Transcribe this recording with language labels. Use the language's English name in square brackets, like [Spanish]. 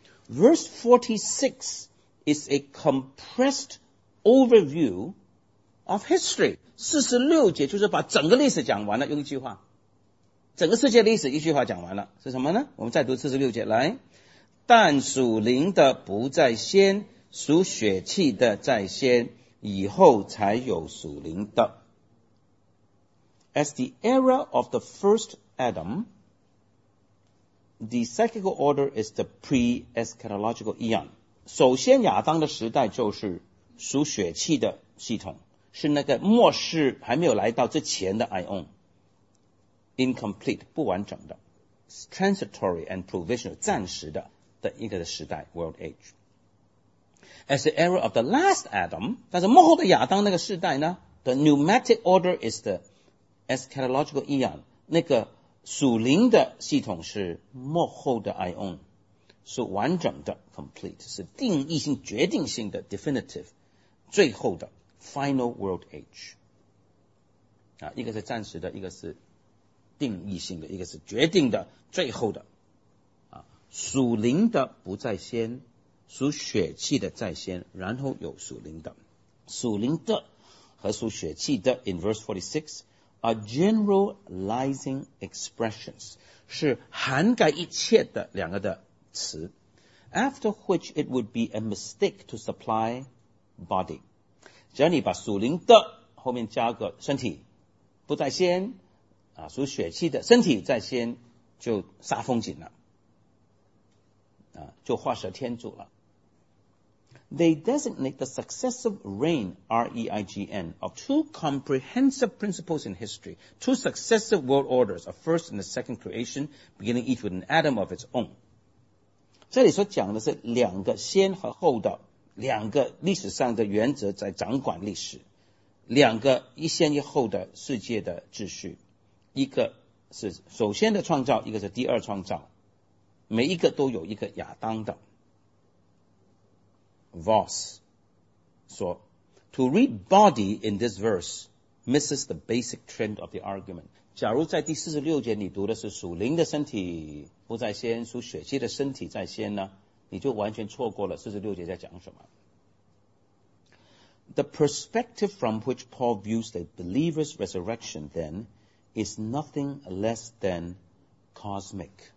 [English] Verse 46 is a compressed overview of history， [Chinese] 46节就是把整个历史讲完了，用一句话，整个世界历史一句话讲完了，是什么呢？我们再读46节来，但属灵的不在先，属血气的在先，以后才有属灵的。 [English] As the era of the first Adam, the psychical order is the pre-eschatological eon， [Chinese] 首先亚当的时代就是属血气的系统，是那个末世还没有来到之前的 Ion， incomplete 不完整的 [English] transitory and provisional [Chinese] 暂时的的一个的时代 [English] world age。 As the era of the last Adam， [Chinese] 但是幕后的亚当那个世代呢， [English] the pneumatic order is the eschatological eon， [Chinese] 那个属灵的系统是幕后的 Ion， 是完整的 complete， 是定义性决定性的 definitive 最后的 [English] Final World Age， [Chinese] 啊，一个是暂时的，一个是定义性的，一个是决定的，最后的，啊，属灵的不在先，属血气的在先，然后有属灵的，属灵的和属血气的 ， [English] in verse 46 are generalizing expressions， [Chinese] 是涵盖一切的两个的词 ， [English] after which it would be a mistake to supply body。 [Chinese] 只要你把属灵的后面加个身体不在先啊，属血气的身体在先，就煞风景了啊，就画蛇添足了。 [English] They designate the successive reign R-E-I-G-N of two comprehensive principles in history， two successive world orders， a first and a second creation beginning each with an atom of its own。 [Chinese] 这里所讲的是两个先和后的两个历史上的原则在掌管历史，两个一先一后的世界的秩序，一个是首先的创造，一个是第二创造，每一个都有一个亚当的。 Voss 说 [English] To read body in this verse misses the basic trend of the argument， [Chinese] 假如在第46节你读的是属灵的身体不在先，属血气的身体在先呢，你就完全错过了46节在讲什么。 [English] The perspective from which Paul views the believer's resurrection then is nothing less than cosmic。